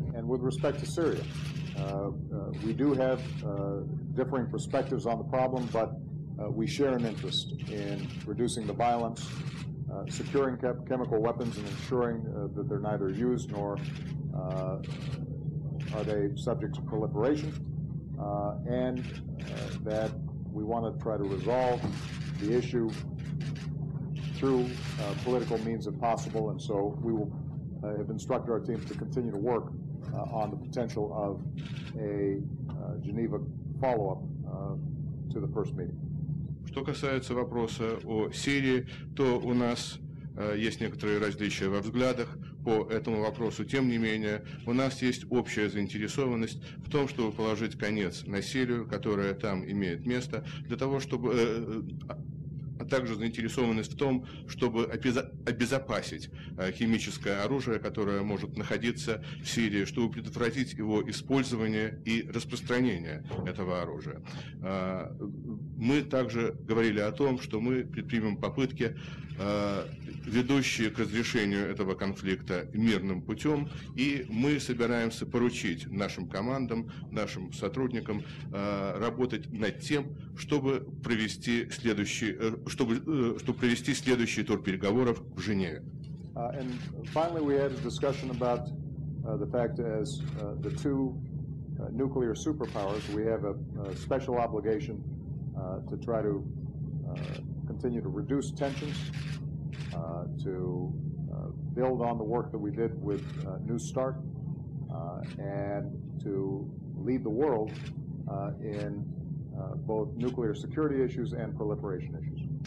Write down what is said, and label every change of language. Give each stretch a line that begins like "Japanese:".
English: And with respect to Syria, we do have differing perspectives on the problem, but we share an interest in reducing the violence, securing chemical weapons, and ensuring that they're neither used nor are they subject to proliferation, and that we want to try to resolve the issue through political means if possible, and so we will have instructed our team to continue to work on the potential of a Geneva follow-up to the first meeting.
Russian: Что касается вопроса о Сирии, то у нас есть некоторые различия во взглядах по этому вопросу. Тем не менее, у нас есть общая заинтересованность в том, чтобы положить конец насилию, которое там имеет место, для того, чтобы, а также заинтересованность в том, чтобы обезопасить химическое оружие, которое может находиться в Сирии, чтобы предотвратить его использование и распространение этого оружия. Мы также говорили о том, что мы предпримем попытки, ведущие к разрешению этого конфликта мирным путем, и мы собираемся поручить нашим командам, нашим сотрудникам работать над тем, чтобы провести следующий тур переговоров в Женеве.
English: And finally, we had a discussion about the fact as the two nuclear superpowers, we have a special obligation to try to continue to reduce tensions, to build on the work that we did with New START, and to lead the world in both nuclear security issues and proliferation issues.